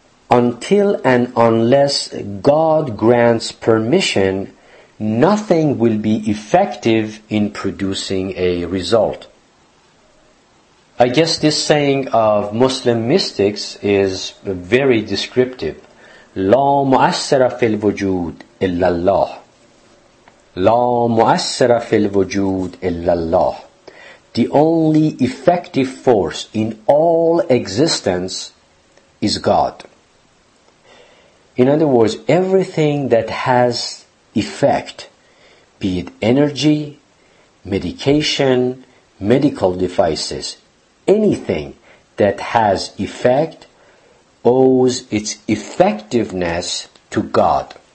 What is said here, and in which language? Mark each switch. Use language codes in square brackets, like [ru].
[en] Until and unless God grants permission, nothing will be effective in producing a result. I guess this saying of Muslim mystics is very descriptive. [ar] لا مؤثر في الوجود إلا الله. لا مؤثر في الوجود إلا الله. [en] The only effective force in all existence is God. In other words, everything that has effect, be it energy, medication, medical devices, anything that has effect owes its effectiveness to God.